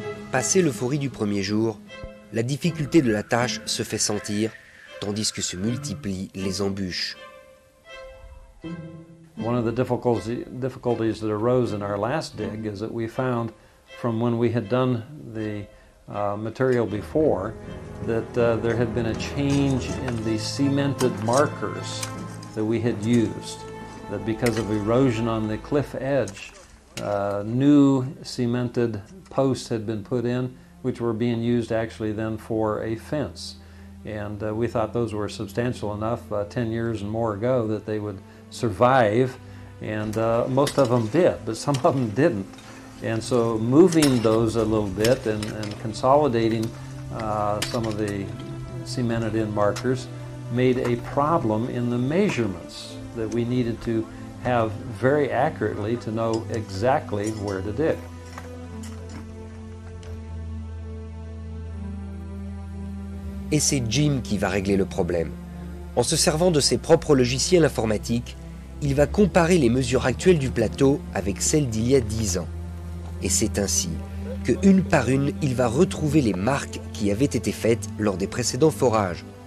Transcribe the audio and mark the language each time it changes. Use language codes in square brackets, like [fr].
[fr] Passé l'euphorie du premier jour, la difficulté de la tâche se fait sentir, tandis que se multiplient les embûches. [en] One of the difficulties that arose in our last dig is that we found, from when we had done the material before, that there had been a change in the cemented markers that we had used, that because of erosion on the cliff edge, new cemented posts had been put in, which were being used actually then for a fence. And we thought those were substantial enough 10 years and more ago that they would survive. And most of them did, but some of them didn't. And so moving those a little bit and consolidating some of the cemented in markers made a problem in the measurements that we needed to have very accurately to know exactly where to dig. [fr] Et c'est Jim qui va régler le problème. En se servant de ses propres logiciels informatiques, il va comparer les mesures actuelles du plateau avec celles d'il y a 10 ans. Et c'est ainsi que, une par une, il va retrouver les marques qui avaient été faites lors des précédents forages.